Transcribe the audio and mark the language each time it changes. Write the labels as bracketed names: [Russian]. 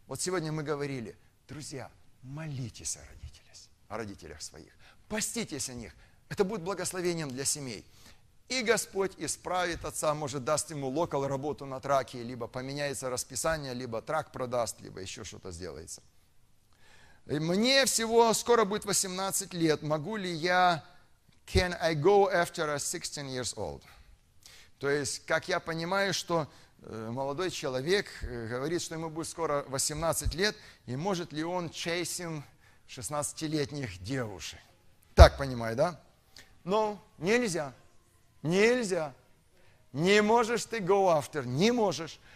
[Russian] Вот сегодня мы говорили, друзья, молитесь о родителях своих. Поститесь о них. Это будет благословением для семей. И Господь исправит отца, может, даст ему локал работу на траке, либо поменяется расписание, либо трак продаст, либо еще что-то сделается. И мне всего скоро будет 18 лет. Могу ли я, [English] can I go after a 16 years old? [Russian] То есть, как я понимаю, что молодой человек говорит, что ему будет скоро 18 лет, и может ли он [English] chasing [Russian] 16-летних девушек? Так понимаю, да? Но нельзя. Нельзя. Не можешь ты [English] go after. [Russian] Не можешь.